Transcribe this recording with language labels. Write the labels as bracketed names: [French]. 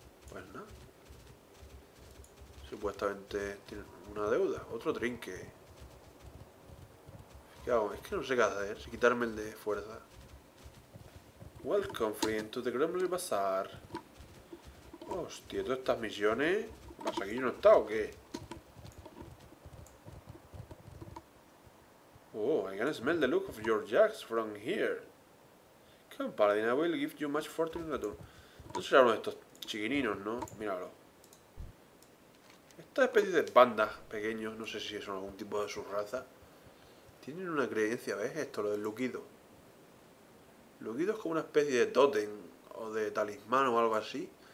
[Spanish] Pues nada. ¿No? Supuestamente tiene una deuda. Otro trinque. ¿Qué hago? Es que no sé qué hacer. Si quitarme el de fuerza. [English] Welcome, friend, to the Gremlin Bazaar. [Spanish] Hostia, todas estas misiones. ¿Qué pasa? ¿Aquí yo no he estado o qué? [English] Oh, I can smell the look of your jacks from here. Come, Paladin, I will give you much fortune in return. [Spanish] No será uno de estos chiquininos, ¿no? Míralo. Esta especie de bandas pequeños, no sé si son algún tipo de su raza. Tienen una creencia, ¿ves? Esto, lo del Lugido. Lugido es como una especie de tótem o de talismán o algo así.